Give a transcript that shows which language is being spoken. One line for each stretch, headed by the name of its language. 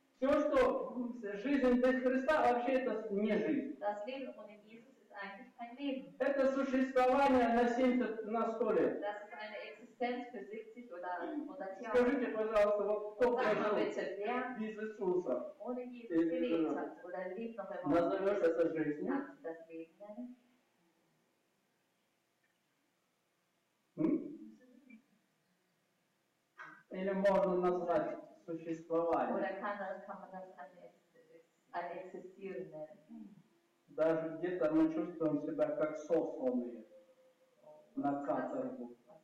Russian: Все, что жизнь без Христа, вообще это не жизнь.
German: Das Leben ohne Jesus ist eigentlich kein Leben.
Russian: Это существование на 70, на 100 лет.
German: Das ist eine Existenz für 70 oder 100 Jahre.
Russian: Скажите, пожалуйста, вот кто прожил без Иисуса?
German: Ohne Jesus gelebt hat oder lebt noch immer.
Russian: Назовешь это жизнью?
German: Das Leben nennen?
Russian: Или можно назвать существование.
German: Oder kann man das ein Existieren nennen?
Russian: Даже где-то мы чувствуем себя как сосланные на каторгу.